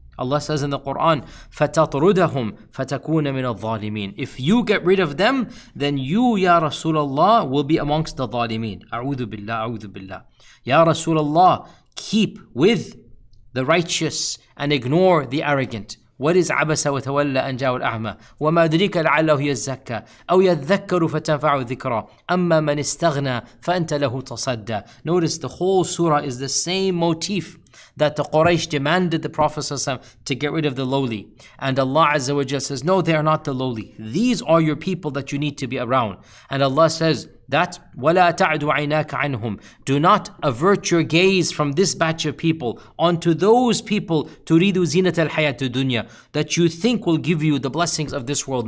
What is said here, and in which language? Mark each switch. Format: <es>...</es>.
<en>Allah says in the Quran,</en> <ar>فَتَطْرُدَهُمْ فَتَكُونَ مِنَ الظَّالِمِينَ.</ar> <en>If you get rid of them, then you, Ya Rasulullah, will be amongst the ظالمين.</en> <ar>أعوذ بالله, أعوذ بالله.</ar> <en>Ya Rasulullah, keep with the righteous and ignore the arrogant.</en> <ar>ورز عبس وتولى أن جاءه الأعمى وما أدريك لعله يزكى أو يذكر فتنفع الذكرى أما من استغنى فأنت له تصدى.</ar> <en>Notice the whole surah is the same motif that the Quraysh demanded the Prophet ﷺ to get rid of the lowly. And Allah Azza wa Jalla says, no, they are not the lowly. These are your people that you need to be around. And Allah says that,</en> <ar>وَلَا تَعْدُ عَيْنَاكَ عَنْهُمْ.</ar> <en>Do not avert your gaze from this batch of people onto those people,</en> <ar>تُرِيدُ زِينَةَ الْحَيَاةُ الدُّنْيَا,</ar> <en>that you think will give you the blessings of this world.</en>